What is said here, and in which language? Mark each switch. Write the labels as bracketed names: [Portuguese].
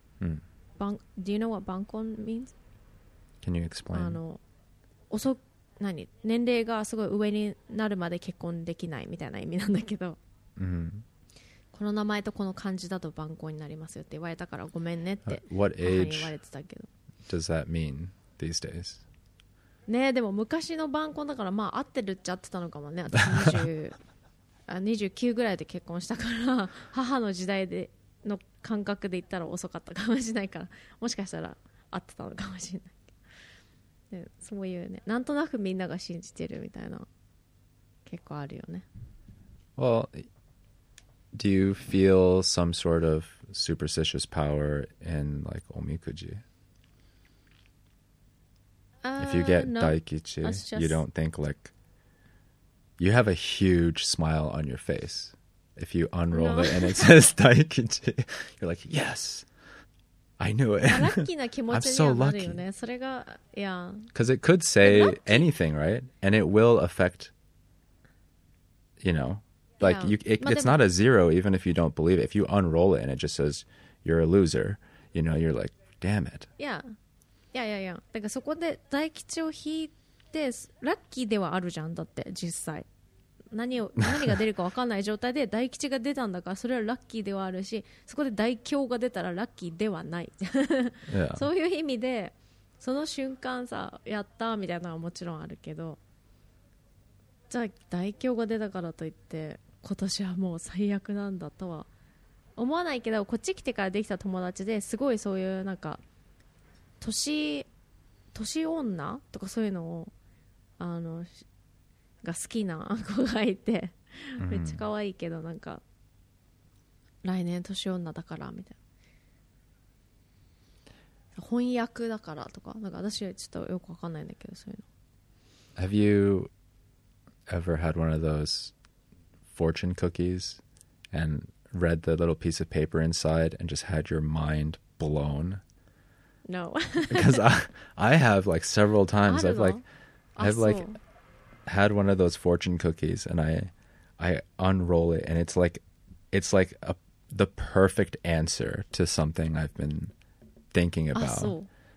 [English] Do you know what 晩婚 means? Can you explain? [Japanese] あの遅何年齢がすごい上になるまで結婚できないみたいな意味なんだけど、この名前とこの漢字だと晩婚になりますよって言われたから、ごめんねって言われてたけど。 [English] What age does that mean these days? [Japanese] ね、でも昔の晩婚だから、まあ合ってるっちゃ合ってたのかもね。私29ぐらいで結婚したから、母の時代での感覚で言ったら遅かったかもしれないから、もしかしたら合ってたのかもしれない。でそういうね、なんとなくみんなが信じてるみたいな結構あるよね。 [English] Well, do you feel some sort of superstitious power in like omikuji? If you get daikichi, you don't think like you have a huge smile on your face. If you unroll it and it says daikichi, you're like, yes, I knew it. I'm so lucky. Because it could say anything, right? And it will affect, you know, like you, it's not a zero even if you don't believe it. If you unroll it and it just says you're a loser, you know, you're like, damn it. Yeah. [Japanese] いやいやいや、だからそこで大吉を引いてラッキーではあるじゃん。だって実際 何が出るか分かんない状態で大吉が出たんだから、それはラッキーではあるし、そこで大凶が出たらラッキーではない、 [English] yeah. [Japanese] そういう意味でその瞬間さ、やったみたいなのはもちろんあるけど、じゃあ大凶が出たからといって今年はもう最悪なんだとは思わないけど、こっち来てからできた友達ですごいそういうなんか年女とかそういうのをが好きな子がいてめっちゃ可愛いけど、なんか来年年女だからみたいな、翻訳だからとか、なんか私ちょっとよく分かんないんだけど、そういうの。 [English] Have you ever had one of those fortune cookies and read the little piece of paper inside and just had your mind blown? No. Because I have like several times. I've had one of those fortune cookies and I unroll it and it's like the perfect answer to something I've been thinking about.